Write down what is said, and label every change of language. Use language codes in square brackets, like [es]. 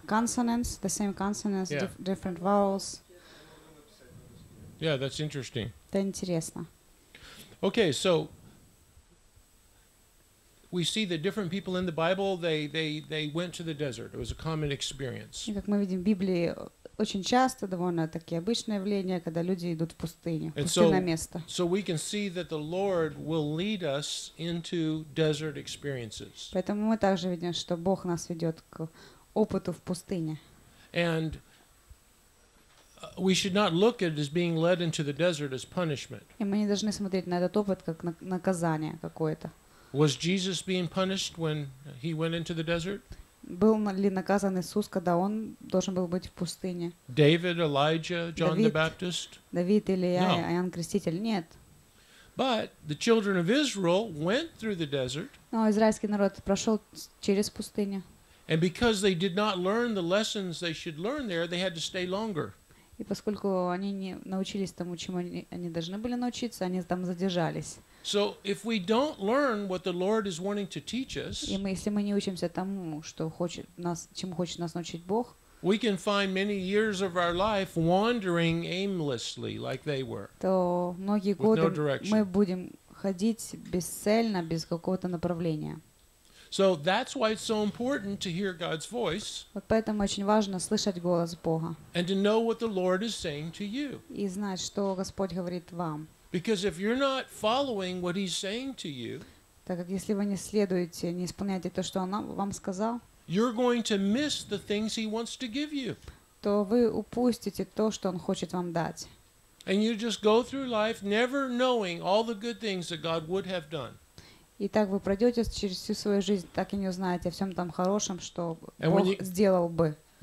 [en] Consonants, the same consonants, yeah. Different vowels. Yeah, that's interesting. [ru] Это интересно. [en] Okay, so we see that different people in the Bible they went to the desert. It was a common experience. [ru] Как мы видим в Библии. Очень часто довольно такие обычные явления, когда люди идут в пустыню, пустынное место. [en] So we can see that the Lord will lead us into desert experiences. [ru] Поэтому мы также видим, что Бог нас ведет к опыту в пустыне. [en] And we should not look at it as being led into the desert as punishment. [ru] И мы не должны смотреть на этот опыт как на наказание какое-то. [en] Was Jesus being punished when he went into the desert? [ru] Был ли наказан Иисус, когда он должен был быть в пустыне? [en] David, Elijah, John the Baptist? [ru] Давид, Илия, Иоанн Креститель? Нет. [en] But the children of Israel went through the desert. [ru] Но израильский народ прошел через пустыню. [en] And because they did not learn the lessons they should learn there, they had to stay longer. [ru] И поскольку они не научились тому, чему они должны были научиться, они там задержались. [en] So if we don't learn what the Lord is wanting to teach us, [ru] если мы не учимся тому, что хочет нас, чему хочет нас научить Бог, [en] we can find many years of our life wandering aimlessly, like they were. [ru] То многие годы мы будем ходить бесцельно, без какого-то направления. [en] So that's why it's so important to hear God's voice. [ru] Вот поэтому очень важно слышать голос Бога. [en] And to know what the Lord is saying to you. [ru] И знать, что Господь говорит вам. [en] Because if you're not following what He's saying to you, [ru] так как если вы не следуете, не исполняете то, что Он вам сказал, [en] you're going to miss the things He wants to give you. [ru] То вы упустите то, что Он хочет вам дать. [en] And you just go through life never knowing all the good things that God would have done. [ru] И так вы пройдете через всю свою жизнь, так и не узнаете о всем там хорошем, что Бог сделал бы.